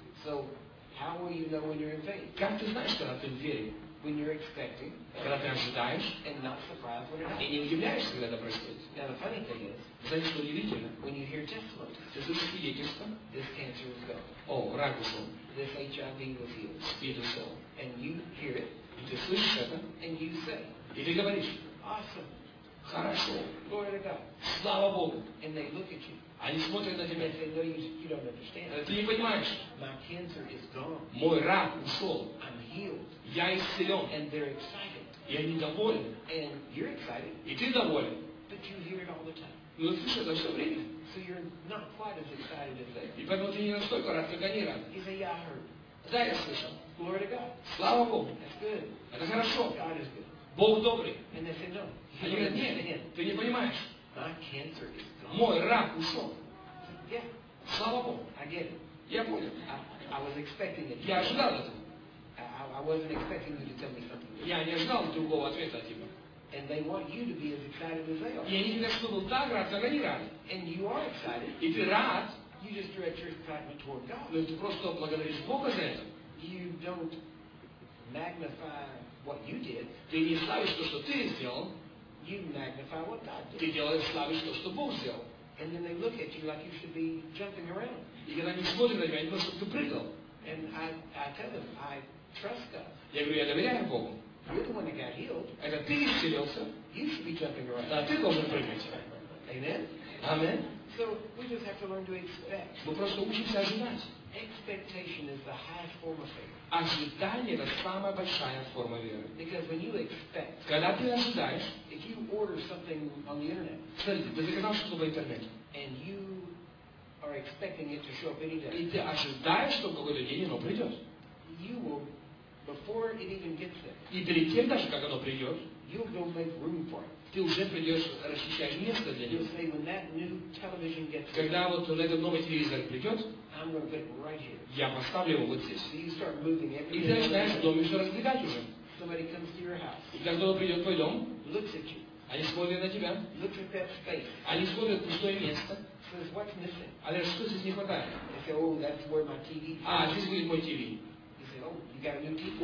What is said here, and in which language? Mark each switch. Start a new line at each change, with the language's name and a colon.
English: So, how will you know when you're in faith?
Russian: Как ты знаешь, что ты в вере?
English: When you're expecting,
Russian: когда ты ожидаешь,
English: and not surprised when it happens.
Russian: И не удивляешься, когда это происходит.
English: Now the funny thing is,
Russian: знаешь, что удивительно?
English: When you hear testimony,
Russian: ты слышишь свидетельство,
English: this cancer was gone.
Russian: О, рак ушел.
English: This HIV was healed.
Russian: СПИД ушел.
English: And you hear it,
Russian: и ты слышишь это,
English: and you say,
Russian: и ты говоришь,
English: awesome.
Russian: Хорошо.
English: Glory to God.
Russian: Слава Богу.
English: And they look at you.
Russian: Они смотрят на тебя.
English: Say, no, you don't understand.
Russian: Ты не понимаешь.
English: My cancer is gone.
Russian: Мой рак ушел.
English: I'm healed.
Russian: Я исцелен.
English: And they're excited.
Russian: И они довольны.
English: And you're excited.
Russian: И ты доволен.
English: But you hear it all the time.
Russian: Ну, ты слышишь это все время.
English: So you're not quite as excited as they.
Russian: И поэтому ты не настолько рад, как они рады.
English: You say, yeah, I heard.
Russian: Да, я слышал.
English: Glory to God.
Russian: Слава Богу.
English: That's good.
Russian: Это хорошо.
English: God is good.
Russian: Бог добрый.
English: And they say, no.
Russian: Они говорят, нет, ты не понимаешь.
English: My cancer is gone.
Russian: Мой рак ушел.
English: Yeah.
Russian: Слава Богу.
English: I get it.
Russian: Я понял.
English: I was expecting it.
Russian: Я ожидал этого.
English: I wasn't expecting you to tell me something.
Russian: Я не ожидал другого ответа от тебя.
English: And they want you to be as excited as they are.
Russian: И они хотят, чтобы так рад, как они рады.
English: And you are excited.
Russian: И ты рад.
English: You just direct your excitement toward God.
Russian: Но ты просто благодаришь Бога за это.
English: You don't magnify what you did.
Russian: Ты не славишь то, что ты сделал.
English: You magnify what God did.
Russian: Ты делаешь славишь то, что Бог сделал.
English: And then they look at you like you should be jumping around.
Russian: И когда они смотрят на тебя, они думают, что ты прыгал.
English: And I tell them, I trust God.
Russian: Я говорю, я доверяю Богу.
English: You're the one that got healed.
Russian: Это ты исцелился.
English: You should be jumping around.
Russian: Да, ты должен прыгать.
English: Amen.
Russian: Amen.
English: So we just have to learn to expect.
Russian: Мы просто учимся ожидать.
English: Expectation is the highest form of faith.
Russian: Ожидание – это самая большая форма веры.
English: Because when you expect,
Russian: когда ты ожидаешь,
English: if you order something on the internet,
Russian: смотрите, ты заказал что-то в интернете,
English: and you are expecting it to show up any day,
Russian: и ты ожидаешь, что в какой-то день оно придет,
English: you will, before it even gets there,
Russian: и перед тем даже, как оно придет,
English: you'll go make room for it.
Russian: Ты уже придешь, расчищаешь место для него.
English: Say, when that new television gets there,
Russian: когда вот он, этот новый телевизор придет,
English: I'm going to put it right here.
Russian: Я поставлю его вот здесь.
English: So you start moving every
Russian: и ты начинаешь дом еще раздвигать уже.
English: Somebody comes to your house,
Russian: и когда он придет в твой дом,
English: looks at you,
Russian: они смотрят на тебя.
English: Looks at that space.
Russian: Они смотрят пустое место.
English: Says, what's missing?
Russian: А говорят, что здесь не хватает?
English: They say, oh, that's where my TV is.
Russian: А, здесь будет мой ТВ.
English: You say, oh, you got a new TV?